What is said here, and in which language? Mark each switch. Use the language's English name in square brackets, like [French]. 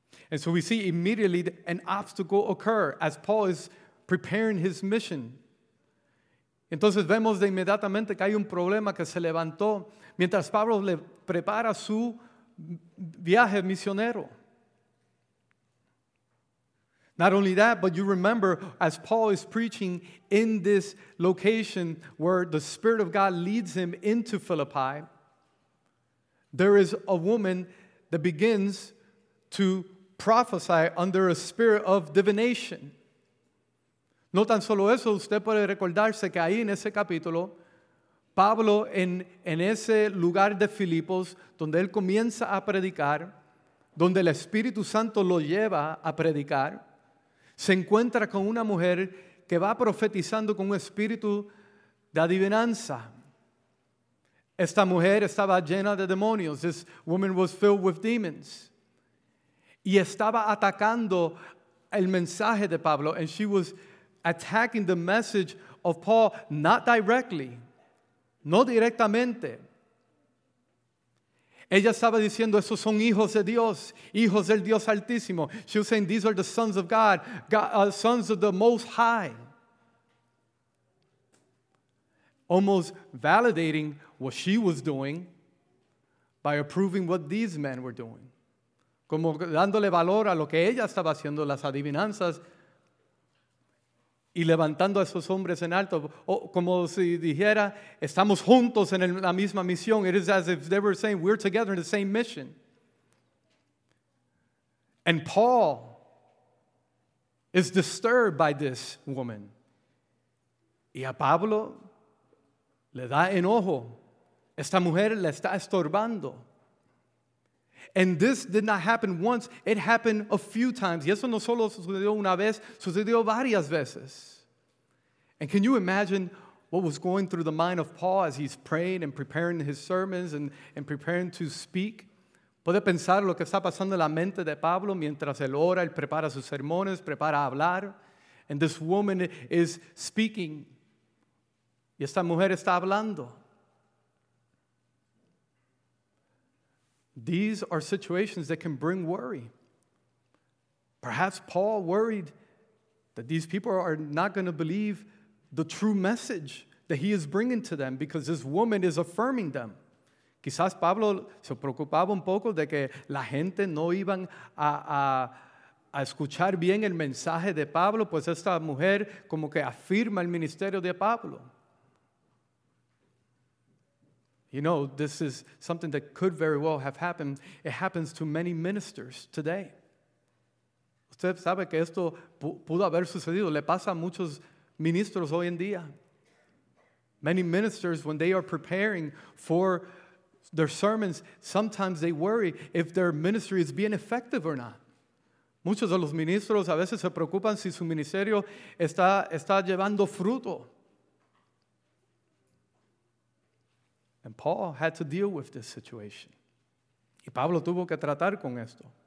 [English] And so we see immediately an obstacle occur as Paul is preparing his mission. [Spanish] Entonces vemos de inmediatamente que hay un problema que se levantó mientras Pablo le prepara su viaje misionero. [English] Not only that, but you remember as Paul is preaching in this location where the Spirit of God leads him into Philippi, there is a woman that begins to prophesy under a spirit of divination. [Spanish] No tan solo eso, usted puede recordarse que ahí en ese capítulo, Pablo en ese lugar de Filipos, donde él comienza a predicar, donde el Espíritu Santo lo lleva a predicar, se encuentra con una mujer que va profetizando con un espíritu de adivinanza. Esta mujer estaba llena de demonios. [English] This woman was filled with demons. [Spanish] Y estaba atacando el mensaje de Pablo. [English] And she was attacking the message of Paul, not directly, [Spanish] no directamente. Ella estaba diciendo, esos son hijos de Dios, hijos del Dios Altísimo. [English] She was saying, these are the sons of God, sons of the Most High. Almost validating what she was doing by approving what these men were doing. [Spanish] Como dándole valor a lo que ella estaba haciendo, las adivinanzas, y levantando a esos hombres en alto, como si dijera, estamos juntos en la misma misión. [English] It is as if they were saying, we're together in the same mission. And Paul is disturbed by this woman. [Spanish] Y a Pablo le da enojo. Esta mujer le está estorbando. [English] And this did not happen once, it happened a few times. [Spanish] Y eso no solo sucedió una vez, sucedió varias veces. [English] And can you imagine what was going through the mind of Paul as he's praying and preparing his sermons and preparing to speak? [Spanish] ¿Puede pensar lo que está pasando en la mente de Pablo mientras él ora, él prepara sus sermones, prepara a hablar? [English] And this woman is speaking. [Spanish] Y esta mujer está hablando. [English] These are situations that can bring worry. Perhaps Paul worried that these people are not going to believe the true message that he is bringing to them because this woman is affirming them. [Spanish] Quizás Pablo se preocupaba un poco de que la gente no iban a escuchar bien el mensaje de Pablo, pues esta mujer como que afirma el ministerio de Pablo. [English] You know, this is something that could very well have happened. It happens to many ministers today. [Spanish] Usted sabe que esto pudo haber sucedido. Le pasa a muchos ministros hoy en día. [English] Many ministers, when they are preparing for their sermons, sometimes they worry if their ministry is being effective or not. [Spanish] Muchos de los ministros a veces se preocupan si su ministerio está llevando fruto. [English] And Paul had to deal with this situation. [Spanish] Y Pablo tuvo que tratar con esto.